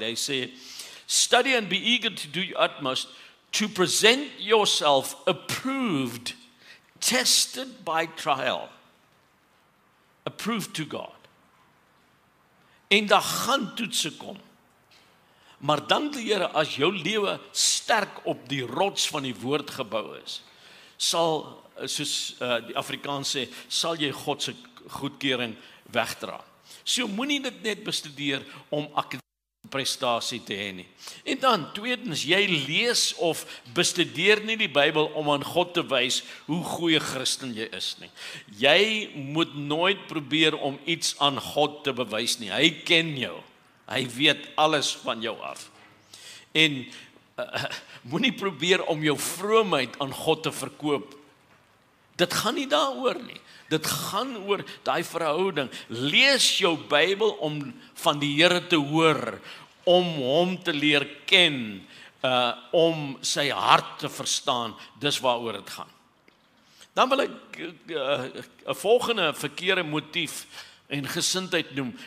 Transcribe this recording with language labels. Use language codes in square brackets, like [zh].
[af] Hy sê, [en] study and be eager to do your utmost to present yourself approved, tested by trial, approved to God. [af] En daar gaan toetse kom. Maar dank die Here, as jou lewe sterk op die rots van die woord gebou is, sal, soos die Afrikaans sê, sal jy God se goedkeuring wegdra. So moenie dit net bestudeer om akademiese prestasie te hê nie. En dan, tweedens, jy lees of bestudeer nie die Bybel om aan God te wys hoe goeie Christen jy is nie. Jy moet nooit probeer om iets aan God te bewys nie. Hy ken jou. Hy weet alles van jou af. En moenie probeer om jou vroomheid aan God te verkoop. Dit gaan nie daaroor nie. Dit gaan oor daai verhouding. Lees jou Bybel om van die Here te hoor, om hom te leer ken, om sy hart te verstaan. Dis waaroor dit gaan. Dan wil ek 'n volgende verkeerde motief en gesindheid noem.